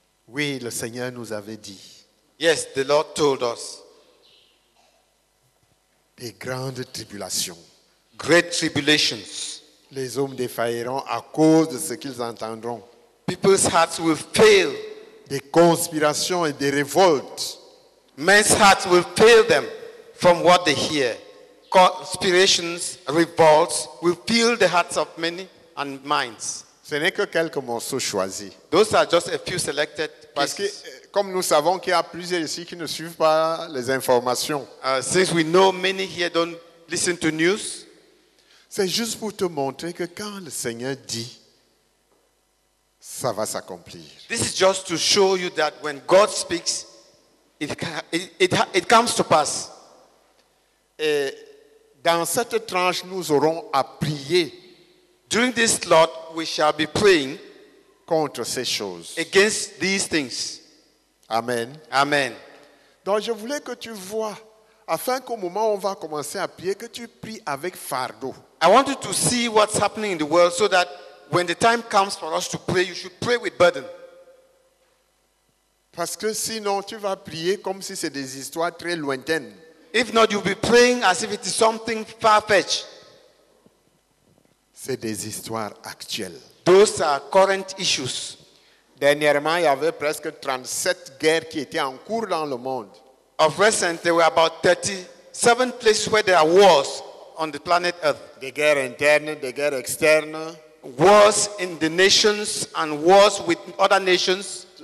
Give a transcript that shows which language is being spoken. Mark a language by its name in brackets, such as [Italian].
[French] Oui, le Seigneur nous avait dit. [English] Yes, the Lord told us. [French] Des grandes tribulations. [English] Great tribulations. [French] Les hommes défailleront à cause de ce qu'ils entendront. [English] People's hearts will fail. [French] Des conspirations et des révoltes. [English] Men's hearts will fail them from what they hear. Conspirations, revolts will fail the hearts of many and minds. [French] Ce n'est que quelques morceaux choisis. [English] Those are just a few selected pieces. [French] Parce que, comme nous savons qu'il y a plusieurs ici qui ne suivent pas les informations. [English] Since we know many here don't listen to news. [French] C'est juste pour te montrer que quand le Seigneur dit, ça va s'accomplir. [English] This is just to show you that when God speaks, it comes to pass. [French] Et dans cette tranche, nous aurons à prier. [English] During this slot, we shall be praying [French] contre ces choses. [English] Against these things. Amen. Amen. [French] Donc, je voulais que tu vois, afin qu'au moment où on va commencer à prier, que tu pries avec fardeau. [English] I want you to see what's happening in the world so that when the time comes for us to pray, you should pray with burden. [French] Parce que sinon, tu vas prier comme si c'est des histoires très lointaines. [English] If not, you'll be praying as if it is something far-fetched. [French] C'est des histoires actuelles. [English] Those are current issues. [French] Dernièrement, il y avait presque 37 guerres qui étaient en cours dans le monde. [English] Of recent, there were about 37 places where there are wars on the planet Earth. [French] Des guerres internes, des guerres externes. [English] Wars in the nations and wars with other nations.